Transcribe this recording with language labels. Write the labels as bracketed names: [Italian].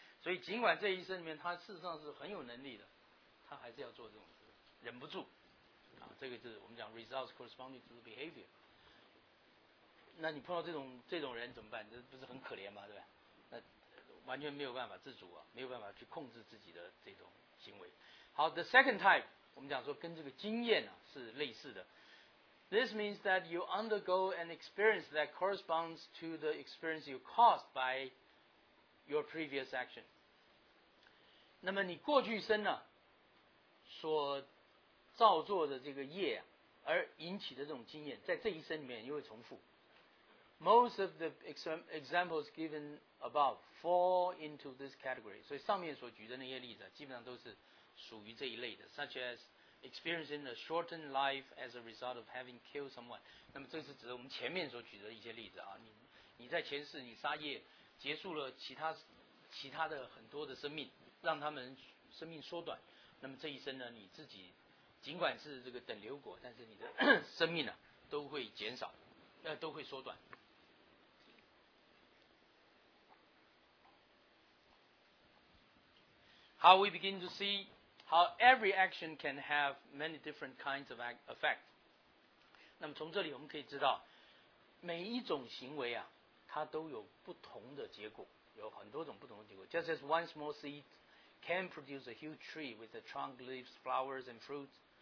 [Chinese] 所以尽管这一生里面他事实上是很有能力的，他还是要做这种事，忍不住。啊，这个就是我们讲 [English] results corresponding to the behavior。 [Chinese] 那你碰到这种人怎么办？这不是很可怜吗？对吧？那完全没有办法自主啊，没有办法去控制自己的这种行为。好 ， [English] the second type， [Chinese] 我们讲说跟这个经验啊是类似的。 [English] This means that you undergo an experience that corresponds to the experience you caused by your previous action。 [Chinese] 那么你过去生呢所造作的这个业而引起的这种经验，在这一生里面又会重复。 [English] Most of the examples given above fall into this category。 [Chinese] 所以上面所举的那些例子，基本上都是属于这一类的 ， [English] such as experiencing a shortened life as a result of having killed someone。 [Chinese] 那么这是指我们前面所举的一些例子啊，你在前世你杀业，结束了其他的很多的生命，让他们生命缩短。那么这一生呢，你自己。尽管是这个等流果，但是你的生命呢、啊、都会减少，都会缩短。 [English] How we begin to see how every action can have many different kinds of effect. [Chinese] 那么从这里我们可以知道，每一种行为啊，它都有不同的结果，有很多种不同的结果。 [English] Just as one small seed can produce a huge tree with the trunk, leaves, flowers, and fruits.